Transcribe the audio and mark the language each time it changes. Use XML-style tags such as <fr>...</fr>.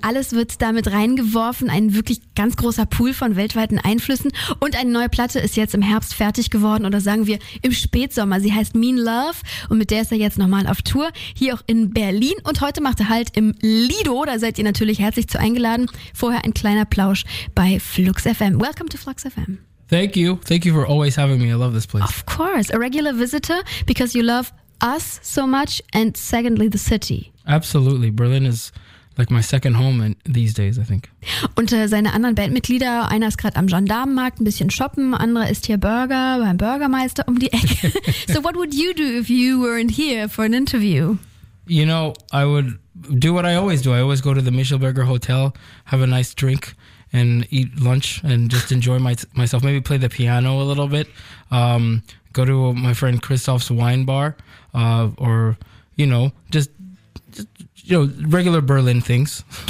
<de>Alles wird damit reingeworfen, ein wirklich ganz großer Pool von weltweiten Einflüssen. Und eine neue Platte ist jetzt im Herbst fertig geworden oder sagen wir im Spätsommer. Sie heißt Mean Love und mit der ist er jetzt nochmal auf Tour, hier auch in Berlin. Und heute macht er Halt im Lido, da seid ihr natürlich herzlich zu eingeladen. Vorher ein kleiner Plausch bei Flux FM.</de> <en>Welcome to Flux FM. Thank you for always having me. I love this place. Of course, a regular visitor because you love us so much and secondly the city. Absolutely, Berlin is like my second home in these days, I think.</en> <de>Und seine anderen Bandmitglieder, einer ist gerade am Gendarmenmarkt ein bisschen shoppen, andere ist hier Burger beim Bürgermeister um die Ecke.</de> <en>So what would you do if you weren't here for an interview? You know, I would do what I always do. I always go to the Michelberger Hotel, have a nice drink and eat lunch and just enjoy myself, maybe play the piano a little bit, go to my friend Christoph's wine bar, or, you know, just you know, regular Berlin things.</en>